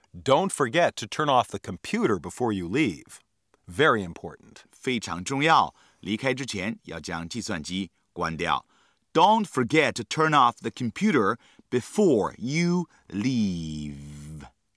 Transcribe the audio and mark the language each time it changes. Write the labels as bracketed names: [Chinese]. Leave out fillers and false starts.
[English] Don't forget to turn off the computer before you leave. Very important. [Chinese] 非常重要，离开之前要将计算机关掉。 [English] Don't forget to turn off the computer before you leave.